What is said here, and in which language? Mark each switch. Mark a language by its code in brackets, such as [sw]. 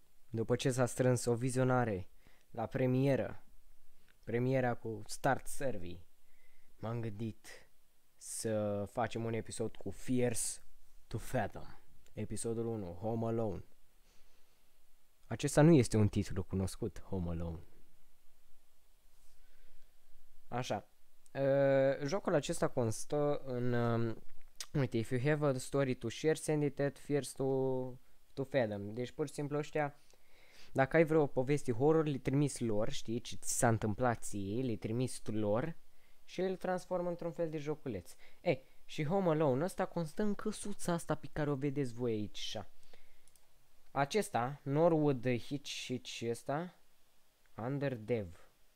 [ro] După ce s-a strâns o vizionare la premieră, premiera cu Start Servii, m-am gândit să facem un episod cu Fears to Fathom, episodul 1, Home Alone. Acesta nu este un titlu cunoscut, Home Alone. Așa, jocul acesta constă în... Uite, [en] if you have a story to share, send it at first to Fathom. [ro] Deci, pur și simplu, ăștia, dacă ai vreo poveste horror, le trimis lor, știi, ce ți s-a întâmplat ție, le trimis tu lor și le transformă într-un fel de joculeț. Ei, și Home Alone ăsta constă în căsuța asta pe care o vedeți voi aici, așa. Acesta, Norwood Hitch ăsta, Underdev.